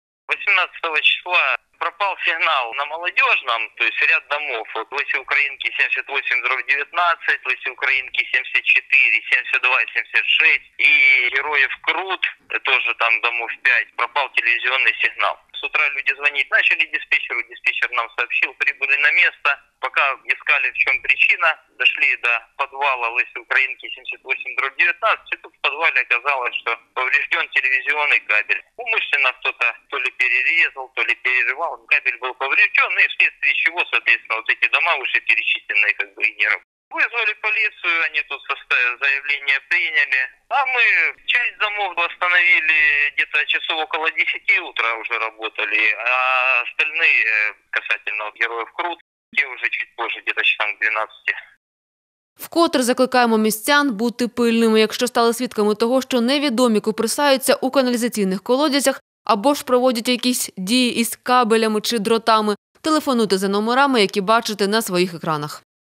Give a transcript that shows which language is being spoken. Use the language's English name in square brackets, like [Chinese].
[Ukrainian] 18 числа пропав сигнал на Молодіжному, тобто ряд домов. Лисі Українки 78/19, Лисі Українки 74, 72, 76 і Героїв Крут, теж там домов 5, пропав телевізійний сигнал. [Russian] С утра люди звонить, начали диспетчеру, диспетчер нам сообщил, прибыли на место. Пока искали, в чем причина, дошли до подвала Лиси Украинки 78/19, и тут в подвале оказалось, что поврежден телевизионный кабель. Умышленно кто-то то ли перерезал, то ли перерывал, кабель был поврежден, и вследствие чего, соответственно, вот эти дома уже перечисленные, как бы, и не работают. Вызвали полицию, они тут заявление приняли. А мы часть домов восстановили где-то часов около 10 утра уже работали, а остальные касательно Героїв Крут, те уже чуть позже, где-то часам 12. [Ukrainian] Вкотре закликаємо містян бути пильними, якщо стали свідками того, що невідомі куприсаються у каналізаційних колодязях або ж проводять якісь дії із кабелями чи дротами, телефонуйте за номерами, які бачите на своїх екранах.